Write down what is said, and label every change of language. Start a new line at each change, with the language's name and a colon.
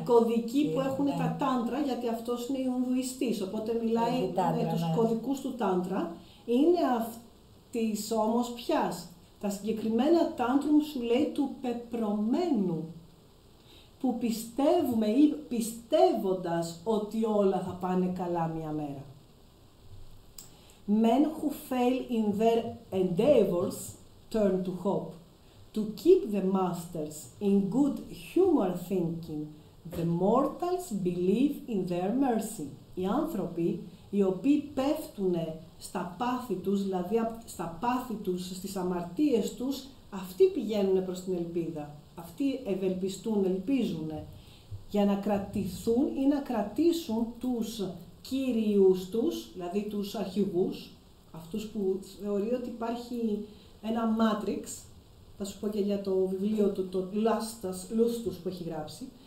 Greek: οι κωδικοί που έχουν, ναι, τα τάντρα, γιατί αυτός είναι Ινδουιστής, οπότε μιλάει τάντρα, με τους, ναι, κωδικούς του τάντρα. Είναι αυτής όμως πιας. Τα συγκεκριμένα tantrums σου λέει του πεπρωμένου, που πιστεύουμε ή πιστεύοντας ότι όλα θα πάνε καλά μια μέρα.
English: Men who fail in their endeavors turn to hope. To keep the masters in good humor thinking, the mortals believe in their mercy.
Greek: Οι άνθρωποι οι οποίοι πέφτουν στα πάθη τους, δηλαδή στα πάθη τους, στις αμαρτίες τους, αυτοί πηγαίνουν προς την ελπίδα. Αυτοί ευελπιστούν, ελπίζουν για να κρατηθούν ή να κρατήσουν τους κύριους τους, δηλαδή τους αρχηγούς, αυτούς που θεωρεί ότι υπάρχει ένα Matrix, θα σου πω και για το βιβλίο του, το Lustus που έχει γράψει.